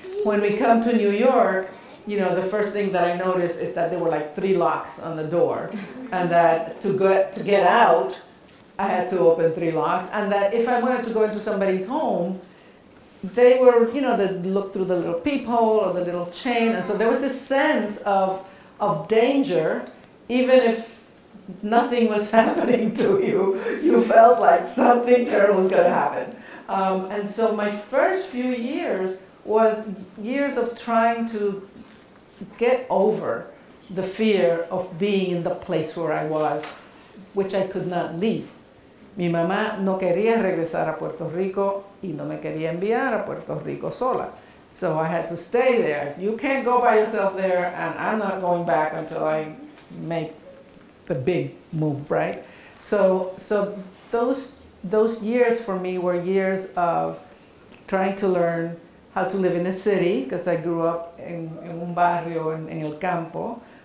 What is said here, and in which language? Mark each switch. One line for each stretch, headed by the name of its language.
English: When we come to New York, you know, the first thing that I noticed is that there were like three locks on the door, and that to get out, I had to open three locks, and that if I wanted to go into somebody's home, they were, you know, they'd look through the little peephole or the little chain, and so there was this sense of danger, even if nothing was happening to you, you felt like something terrible was going to happen. And so my first few years was years of trying to get over the fear of being in the place where I was, which I could not leave.
Spanish: Mi mamá no quería regresar a Puerto Rico y no me quería enviar a Puerto Rico sola.
English: So I had to stay there. You can't go by yourself there, and I'm not going back until I make the big move, right? So those years for me were years of trying to learn how to live in a city, because I grew up in
Spanish: un barrio en el campo.